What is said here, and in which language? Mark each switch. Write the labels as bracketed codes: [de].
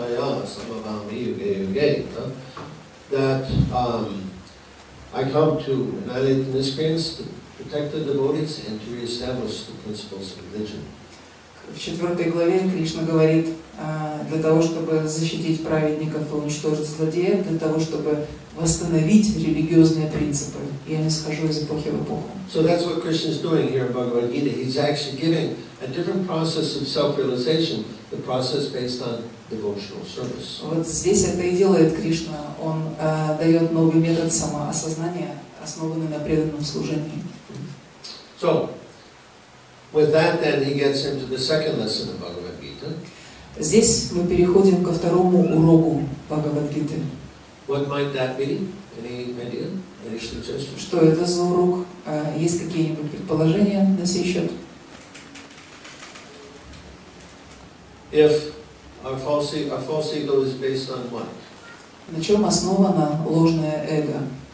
[sa] Dharma samstapanartaya samabhami yuge yuge, [en] that I come to annihilate the miscreants, to protect the devotees, and to reestablish the principles of religion. [ru] В четвертой главе Кришна говорит, для того, чтобы защитить праведников и уничтожить злодея, для того, чтобы восстановить религиозные принципы. Я не схожу из эпохи в эпоху. [en] So that's what Krishna is doing here in Bhagavad Gita. He's actually giving a different process of self-realization, the process based on devotional service. [ru] Вот здесь это и делает Кришна. Он дает новый метод самоосознания, основанный на преданном служении. [en] So, with that then he gets into the second lesson of Bhagavad Gita. [ru] Здесь мы переходим ко второму уроку Бхагавад Гиты. [en] What might that be? Any idea? Any suggestion? [ru] Что это за урок? Есть какие-нибудь предположения на сей счет? [en] If our false ego is based on what? [ru] На чем основано ложное эго?